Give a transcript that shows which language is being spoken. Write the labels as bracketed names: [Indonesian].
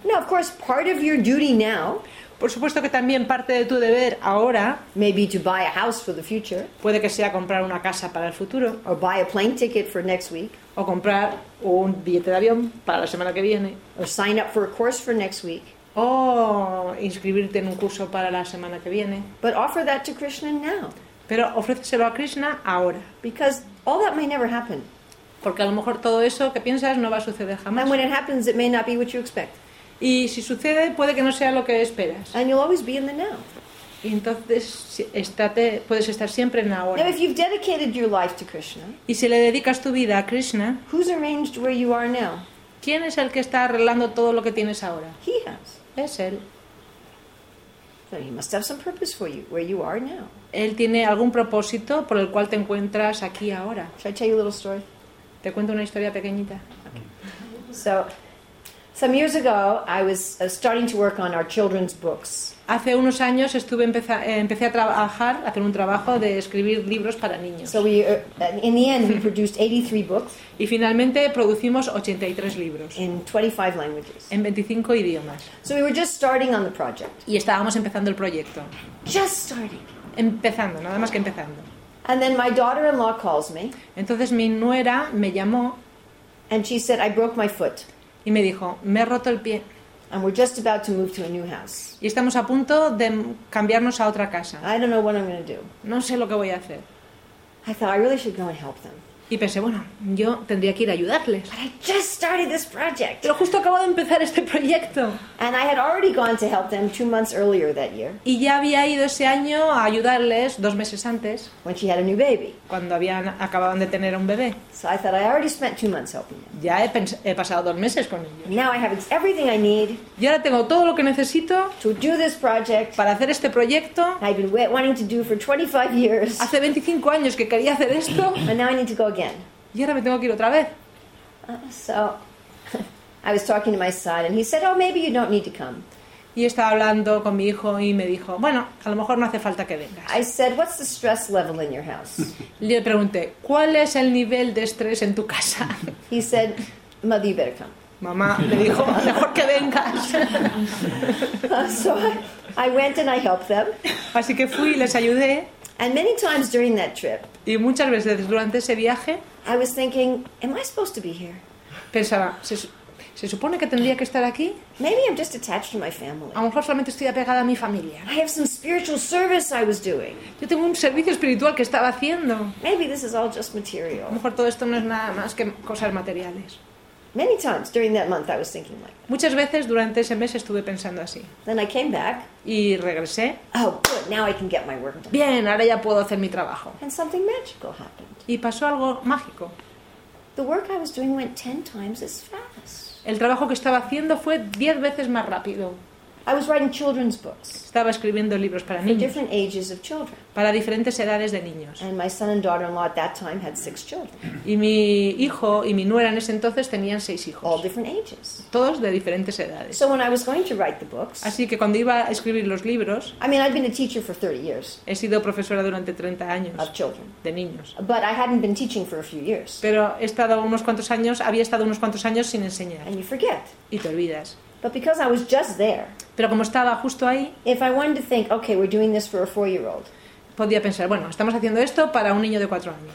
[English] Now, of course, part of your duty now. [Spanish] Por supuesto que también parte de tu deber ahora. [English] Maybe to buy a house for the future. [Spanish] Puede que sea comprar una casa para el futuro. [English] Or buy a plane ticket for next week. [Spanish] O comprar un billete de avión para la semana que viene. [English] Or sign up for a course for next week. [Spanish] O inscribirte en un curso para la semana que viene. [English] But offer that to Krishna now. [Spanish] Pero ofréceselo a Krishna ahora. [English] Because all that may never happen. [Spanish] Porque a lo mejor todo eso que piensas no va a suceder jamás. [English] And when it happens, it may not be what you expect. [Spanish] Y si sucede, puede que no sea lo que esperas. [English] And you'll always be in the now. [Spanish] Y entonces puedes estar siempre en ahora. [English] Now, if you've dedicated your life to Krishna, [Spanish] y si le dedicas tu vida a Krishna, [English] who's arranged where you are now? [Spanish] ¿Quién es el que está arreglando todo lo que tienes ahora? [English] He has. [Spanish] Es él. [English] So he must have some purpose for you where you are now. [Spanish] Él tiene algún propósito por el cual te encuentras aquí ahora. [English] Should I tell you a little story? [Spanish] Te cuento una historia pequeñita. [English] Okay. So, some years ago, I was starting to work on our children's books. [Spanish] Hace unos años empecé a trabajar, a hacer un trabajo de escribir libros para niños. [English] So we, in the end, we produced 83 books. [Spanish] Y finalmente producimos 83 libros. [English] In 25 languages. [Spanish] En 25 idiomas. [English] So we were just starting on the project. [Spanish] Y estábamos empezando el proyecto. [English] Just starting. [Spanish] Empezando, nada más que empezando. [English] And then my daughter-in-law calls me. [Spanish] Entonces mi nuera me llamó. [English] And she said, I broke my foot. [Spanish] Y me dijo, me he roto el pie. [English] And we're just about to move to a new house. [Spanish] Y estamos a punto de cambiarnos a otra casa. [English] I don't know what I'm going to do. [Spanish] No sé lo que voy a hacer. [English] I thought I really should go and help them. [Spanish] Y pensé, bueno, yo tendría que ir a ayudarles. [English] But I just started this project. [Spanish] Pero justo acabo de empezar este proyecto. [English] And I had already gone to help them 2 months earlier that year. [Spanish] Y ya había ido ese año a ayudarles 2 meses antes. [English] When she had a new baby. [Spanish] Cuando acababan de tener un bebé. [English] So I thought I already spent 2 months helping them. [Spanish] Ya he pasado 2 meses con ellos. [English] Now I have everything I need. [Spanish] Y ahora tengo todo lo que necesito. [English] To do this project. [Spanish] Para hacer este proyecto. [English] I've been wanting to do for 25 years. [Spanish] Hace 25 años que quería hacer esto. [English] And now I need to go again. [Spanish] Y ahora me tengo que ir otra vez. [English] So I was talking to my son and he said, "Oh, maybe you don't need to come." [Spanish] Y estaba hablando con mi hijo y me dijo, "Bueno, a lo mejor no hace falta que vengas." [English] I said, "What's the stress level in your house?" [Spanish] Le pregunté, "¿Cuál es el nivel de estrés en tu casa?" [English] He said, "Mother, you better come." [Spanish] Mamá le dijo, "Mejor que vengas." [English] So I went and I helped them. [Spanish] Así que fui y les ayudé. [English] And many times during that trip, [Spanish] y muchas veces durante ese viaje, [English] I was thinking, am I supposed to be here? [Spanish] Pensaba, ¿se supone que tendría que estar aquí? [English] Maybe I'm just attached to my family. [Spanish] A lo mejor solamente estoy apegada a mi familia. [English] I have some spiritual service I was doing. [Spanish] Yo tengo un servicio espiritual que estaba haciendo. [English] Maybe this is all just material. [Spanish] A lo mejor todo esto no es nada más que cosas materiales. [English] Many times during that month I was thinking like that. [Spanish] Muchas veces durante ese mes estuve pensando así. [English] Then I came back. [Spanish] Y regresé. [English] Oh, good. Now I can get my work done. [Spanish] Bien, ahora ya puedo hacer mi trabajo. [English] And something magical happened. [Spanish] Y pasó algo mágico. [English] The work I was doing went 10 times as fast. [Spanish] El trabajo que estaba haciendo fue 10 veces más rápido. [English] I was writing children's books. [Spanish] Estaba escribiendo libros para [English] for [Spanish] niños. [English] For different ages of children. [Spanish] Para diferentes edades de niños. [English] And my son and daughter-in-law at that time had 6 children. [Spanish] Y mi hijo y mi nuera en ese entonces tenían 6 hijos. [English] All different ages. [Spanish] Todos de diferentes edades. [English] So when I was going to write the books. [Spanish] Así que cuando iba a escribir los libros. [English] I mean, I'd been a teacher for 30 years. [Spanish] He sido profesora durante 30 años. [English] Of children. [Spanish] De niños. [English] But I hadn't been teaching for a few years. [Spanish] Pero había estado unos cuantos años sin enseñar. [English] And you forget. [Spanish] Y te olvidas. [English] But because I was just there. [Spanish] Pero como estaba justo ahí. [English] If I wanted to think, okay, we're doing this for a 4-year-old. [Spanish] Podía pensar, bueno, estamos haciendo esto para un niño de 4 años.